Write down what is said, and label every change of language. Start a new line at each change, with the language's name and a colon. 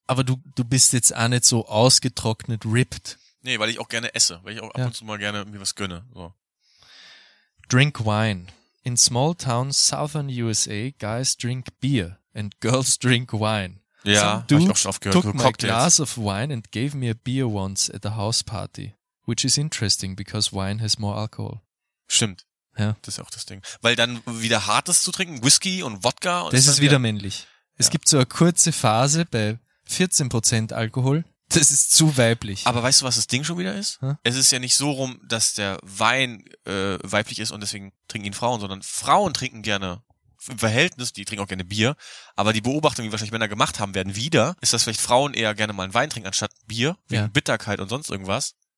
German: Aber du bist jetzt auch nicht so ausgetrocknet, ripped. Nee, weil ich auch gerne esse, weil ich auch ab und zu mal gerne mir was gönne. So.
English: Drink wine. In small towns southern USA, guys drink beer and girls drink wine.
German: Ja, so, hab ich auch schon oft gehört.
English: Took my glass of wine and gave me a beer once at a house party, which is interesting because wine has more alcohol.
German: Stimmt. Ja. Das ist auch das Ding. Weil dann wieder Hartes zu trinken, Whisky und Wodka. Und das ist wieder männlich. Es gibt so eine kurze Phase bei 14% Alkohol. Das ist zu weiblich. Aber weißt du, was das Ding schon wieder ist? Hm? Es ist ja nicht so rum, dass der Wein weiblich ist und deswegen trinken ihn Frauen, sondern Frauen trinken gerne im Verhältnis, die trinken auch gerne Bier, aber die Beobachtung, die wahrscheinlich Männer gemacht haben werden, wieder, ist, dass vielleicht Frauen eher gerne mal einen Wein trinken anstatt Bier, wegen Bitterkeit und sonst irgendwas.